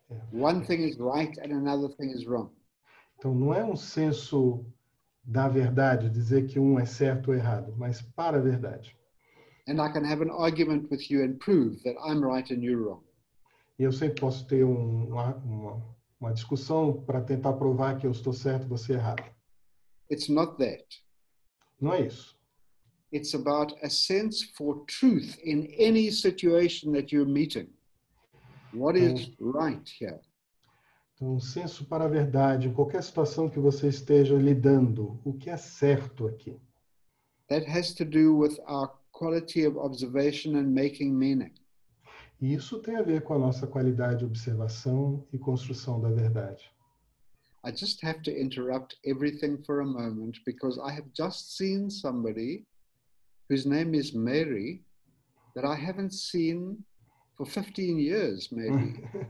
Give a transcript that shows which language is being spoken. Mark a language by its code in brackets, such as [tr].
[en] One thing is right and another thing is wrong. [pt] Então, não é um senso da verdade dizer que um é certo ou errado, mas para a verdade. [en] And I can have an argument with you and prove that I'm right and you're wrong. [pt] E eu sempre posso ter uma discussão para tentar provar que eu estou certo e você errado. [en] It's not that. [pt] Não é isso. [en] It's about a sense for truth in any situation that you're meeting. What is right here? [pt] Então, um senso para a verdade em qualquer situação que você esteja lidando, o que é certo aqui? [en] That has to do with our quality of observation and making meaning. [pt] E isso tem a ver com a nossa qualidade de observação e construção da verdade. [en] I just have to interrupt everything for a moment because I have just seen somebody whose name is Mary that I haven't seen for 15 years, maybe.